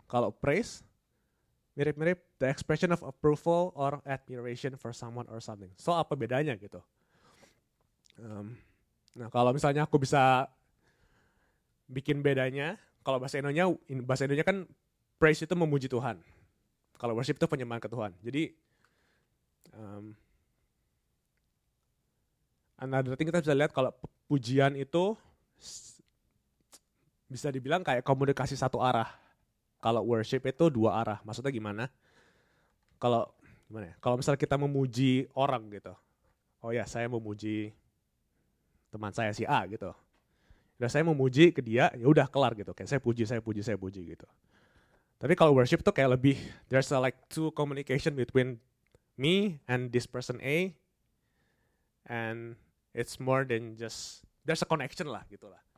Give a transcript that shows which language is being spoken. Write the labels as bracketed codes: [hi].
[en] Kalau praise, mirip-mirip the expression of approval or admiration for someone or something. [id] So apa bedanya gitu? Nah kalau misalnya aku bisa bikin bedanya, kalau bahasa Indonesia kan praise itu memuji Tuhan. Kalau worship itu penyembahan ke Tuhan. Jadi another thing kita bisa lihat kalau pujian itu bisa dibilang kayak komunikasi satu arah. Kalau worship itu dua arah. Maksudnya gimana? Kalau misalnya kita memuji orang gitu. Oh ya, saya memuji teman saya si A gitu. Udah saya memuji ke dia, ya udah kelar gitu. Kayak saya puji gitu. [en] Tapi kalau worship tuh kayak lebih there's a, like two communication between me and this person A and it's more than just there's a connection lah gitu lah.